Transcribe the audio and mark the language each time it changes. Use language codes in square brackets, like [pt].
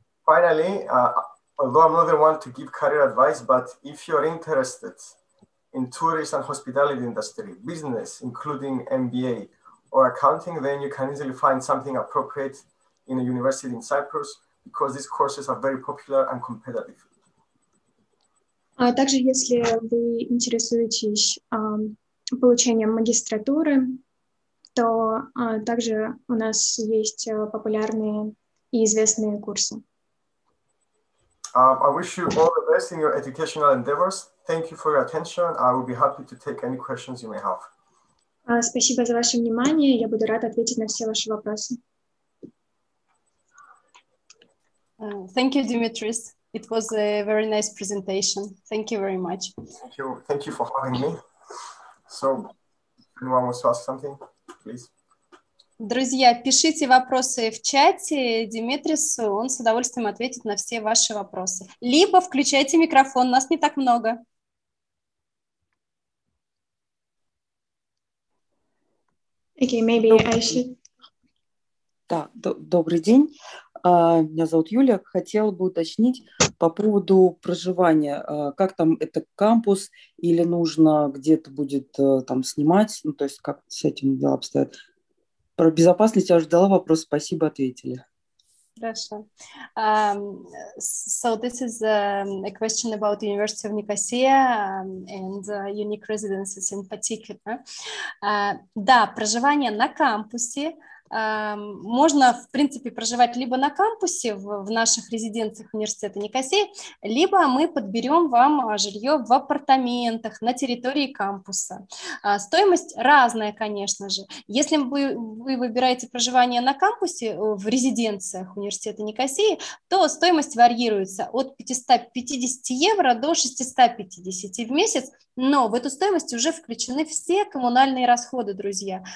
[en] Finally, although I'm not the one to give career advice, but if you're interested in tourism and hospitality industry, business, including MBA or accounting, then you can easily find something appropriate in a university in Cyprus because these courses are very popular and competitive. [ru] Также, если вы интересуетесь получением магистратуры, то также у нас есть популярные и известные курсы. [en] I wish you all the best in your educational endeavors. Thank you for your attention. I will be happy to take any questions you may have. [ru] Спасибо за ваше внимание. Я буду рада ответить на все ваши вопросы. [en] Thank you, Dimitris. It was a very nice presentation. Thank you very much. Thank you. Thank you for having me. So, anyone wants to ask something, please? [ru] Друзья, пишите вопросы в чате Димитрису, он с удовольствием ответит на все ваши вопросы. Либо включайте микрофон, нас не так много. [en] Okay, maybe I should... [ru] Да, добрый день. Меня зовут Юлия. Хотела бы уточнить по поводу проживания. Как там, это кампус или нужно где-то будет там снимать? Ну, то есть как с этим дела обстоят? Про безопасность я уже задала вопрос, спасибо, ответили. Хорошо. [en] So this is a question about the University of Nicosia and unique residences in particular. [ru] Да, проживание на кампусе. Можно, в принципе, проживать либо на кампусе в наших резиденциях университета Никосии, либо мы подберем вам жилье в апартаментах на территории кампуса. Стоимость разная, конечно же. Если вы выбираете проживание на кампусе в резиденциях университета Никосии, то стоимость варьируется от 550 евро до 650 в месяц, но в эту стоимость уже включены все коммунальные расходы, друзья.